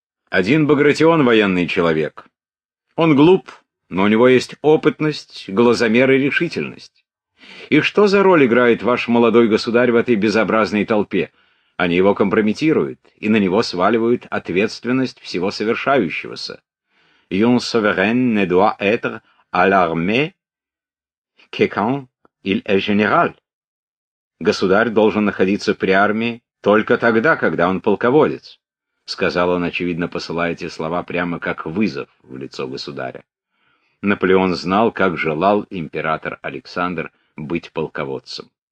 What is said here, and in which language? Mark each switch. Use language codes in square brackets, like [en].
[ru] Один Багратион — военный человек. Он глуп, но у него есть опытность, глазомер и решительность. И что за роль играет ваш молодой государь в этой безобразной толпе? Они его компрометируют, и на него сваливают ответственность всего совершающегося. [fr] «Un souverain ne doit être à l'armée que quand il est général». [ru] «Государь должен находиться при армии только тогда, когда он полководец», — сказал он, очевидно, посылая эти слова прямо как вызов в лицо государя. Наполеон знал, как желал император Александр быть полководцем.